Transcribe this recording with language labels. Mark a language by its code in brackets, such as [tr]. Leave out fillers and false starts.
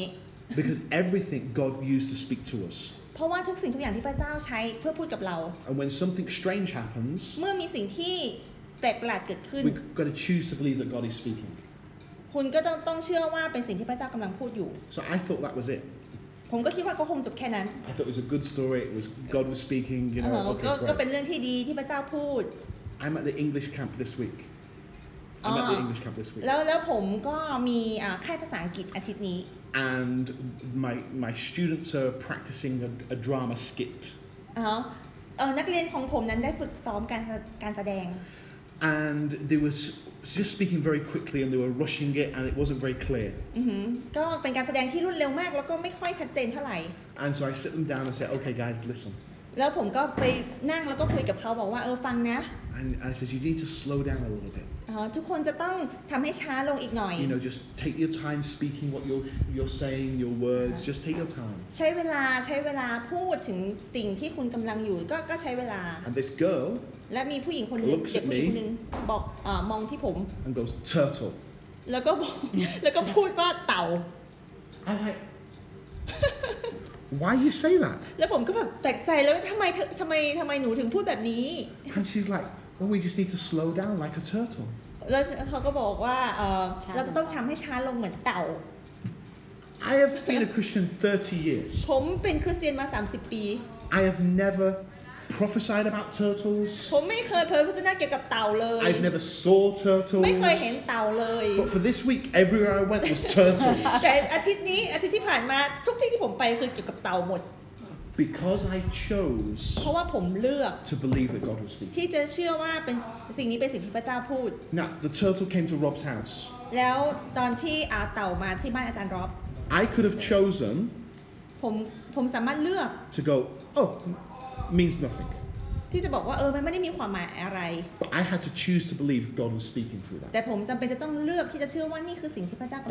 [en] Because everything God used to speak to us [th] เพราะว่าทุกสิ่งทุกอย่างที่พระเจ้าใช้เพื่อพูดกับเรา [en] And when something strange happens [th] เมื่อมีสิ่งที่แปลกประหลาดเกิดขึ้น [en] We've got to choose to believe that God is speaking [th] คุณก็ต้องเชื่อว่าเป็นสิ่งที่พระเจ้ากำลังพูดอยู่ [en] So I thought that was it [th] ผมก็คิดว่าก็คงจบแค่นั้น [en] I thought it was a good story. It was God was speaking. You know, [th] ก็เป็นเรื่องที่ดีที่พระเจ้าพูด [en] I'm at the English camp this week. I'm at the English camp this week. [th] แล้วผมก็มีค่ายภาษาอังกฤษอาทิตย์นี้ [en] And my students are practicing a drama skit. [th] นักเรียนของผมนั้นได้ฝึกซ้อมการแสดง [en] And they were just speaking very quickly, and they were rushing it, and it wasn't very clear. [th] ก็เป็นการแสดงที่รวดเร็วมากแล้วก็ไม่ค่อยชัดเจนเท่าไหร่ [en] And so I sit them down and say, "Okay, guys, listen." [th] แล้วผมก็ไปนั่งแล้วก็คุยกับเขาบอกว่าฟังนะ [en] And I said, "You need to slow down a little bit." [th] ทุกคนจะต้องทำให้ช้าลงอีกหน่อย [en] You know, just take your time speaking what you're saying, your words. Just take your time. [th] ใช้เวลาพูดถึงสิ่งที่คุณกำลังอยู่ก็ใช้เวลา [en] And this girl. [th] และมีผู้หญิงคนนึ งเด็กผู้ หญิงนึงบอกมองที่ผม [en] and goes turtle [th] แล้วก็พูดว่าเต่า [en] I'm like why you say that [th] แล้วผมก็แบบแปลกใจแล้วทำไมหนูถึงพูดแบบนี้ [en] and she's like well we just need to slow down like a turtle [th] แล้วเขาก็บอกว่าเราจะต้องทำให้ช้าลงเหมือนเต่า [en] I have been a Christian 30 years [th] ผมเป็นคริสเตียนมา30ปี [en] I have neverprophesied about turtles [th] ผมไม่เคยเผยพระวจนะเกี่ยวกับเต่าเลย [en] I've never saw turtles [th] ไม่เคยเห็นเต่าเลย [en] But for this week everywhere I went was turtles [th] แต่อาทิตย์นี้อาทิตย์ที่ผ่านมาทุกที่ที่ผมไปคือเกี่ยวกับเต่าหมด [en] Because I chose [th] เพราะว่าผมเลือก [en] to believe that God was speaking [th] ที่จะเชื่อว่าเป็นสิ่งนี้เป็นสิ่งที่พระเจ้าพูด [en] Now the turtle came to Rob's house [th] แล้วตอนที่เต่ามาที่บ้านอาจารย์ร็อบ [en] I could have chosen [th] ผมสามารถเลือก [en] to go oh means nothing [th] ที่จะบอกว่าเออมันไม่ได้มีความหมายอะไร [en] But I had to choose to believe God was speaking through that [th] แต่ผมจำเป็นจะต้องเลือกที่จะเชื่อว่านี่คือสิ่งที่พระเจ้ากำลังพ